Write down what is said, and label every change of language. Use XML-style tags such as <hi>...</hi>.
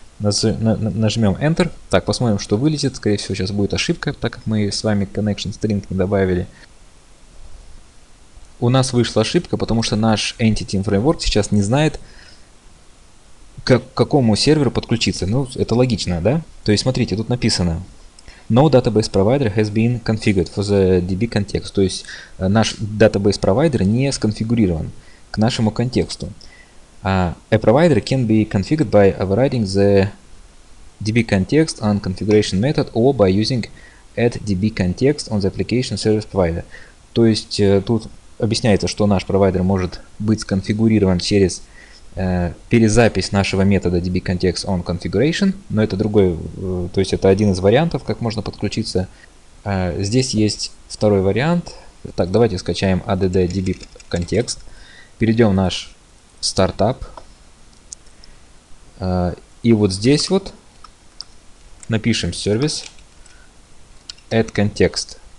<ru>Нажмем Enter. Так, посмотрим, что вылезет. Скорее всего, сейчас будет ошибка, так как мы с вами connection string не добавили. У нас вышла ошибка, потому что наш Entity Framework сейчас не знает, к какому серверу подключиться. Ну, это логично, да? То есть, смотрите, тут написано</ru> <en>No database provider has been configured for the DB context.</en> <ru>То есть наш database provider не сконфигурирован к нашему контексту.</ru> <en>A provider can be configured by overriding the DB context on configuration method or by using add DB context on the application service provider.</en> <ru>То есть тут объясняется, что наш провайдер может быть сконфигурирован через перезапись нашего метода dbContextOnConfiguration, но это другой, то есть это один из вариантов, как можно подключиться. Здесь есть второй вариант. Так, давайте скачаем add dbContext, перейдем в наш стартап, и вот здесь вот напишем service addContext.</ru>